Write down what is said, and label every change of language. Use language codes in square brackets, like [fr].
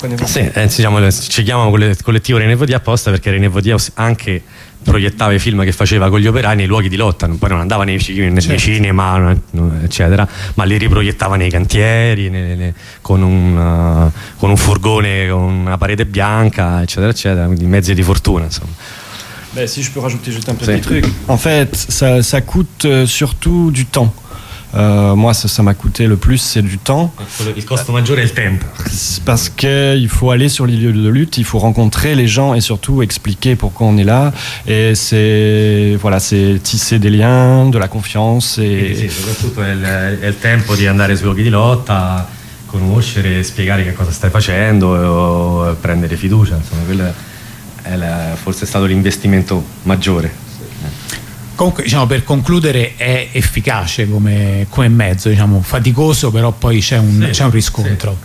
[it] René Vaudier. Sì, ci chiamano collettivo René Vaudier apposta, perché René Vaudier anche proiettava i film che faceva con gli operai nei luoghi di lotta, poi non andava nei cinema, eccetera, ma li riproiettava nei cantieri, con un furgone, con una parete bianca, eccetera, eccetera, quindi mezzi di fortuna, insomma. [fr] Ben, si je peux rajouter juste un petit truc. En fait, ça coûte surtout du temps. Moi, ça m'a coûté le plus, c'est du temps. [it] Il costo maggiore è il tempo. [fr] Parce qu'il faut aller sur les lieux de lutte, il faut rencontrer les gens et surtout expliquer pourquoi on est là. Et c'est, voilà, c'est tisser des liens, de la confiance. Et [it] soprattutto è il tempo di andare sui luoghi di lotta, conoscere, spiegare che cosa stai facendo, prendere fiducia, insomma, quello forse è stato l'investimento maggiore. Comunque, diciamo, per concludere, è efficace come mezzo, diciamo, faticoso, però poi c'è un riscontro.